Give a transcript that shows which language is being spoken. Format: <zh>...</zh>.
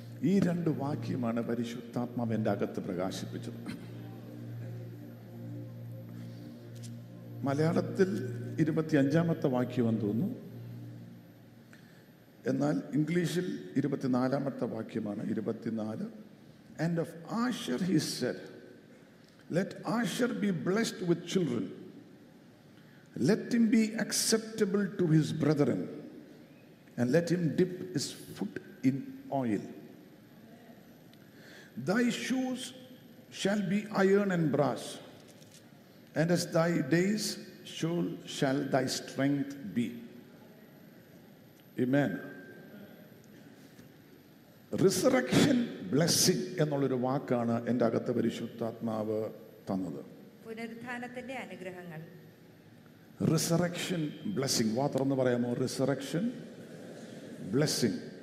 <ml>ഈ രണ്ട് വാക്യമാണ് പരിശുദ്ധാത്മാവ് എൻ്റെ അകത്ത് പ്രകാശിപ്പിച്ചത്. മലയാളത്തിൽ 25 വാക്യം എന്ന് തോന്നുന്നു, എന്നാൽ ഇംഗ്ലീഷിൽ 24 വാക്യമാണ്. 24.</ml> <en>And of Asher he said, Let Asher be blessed with children. Let him be acceptable to his brethren. And let him dip his foot in oil. Thy shoes shall be iron and brass. And as thy days, so shall thy strength be. Amen.</en> <ml>Resurrection blessing എന്നുള്ളൊരു വാക്കാണ് എൻ്റെ അകത്ത് പരിശുദ്ധാത്മാവ് തന്നത്. പുനരുത്ഥാനത്തിന്റെ അനുഗ്രഹങ്ങൾ. Resurrection blessing. വാത്രം പറയാമോ? Resurrection blessing.</ml>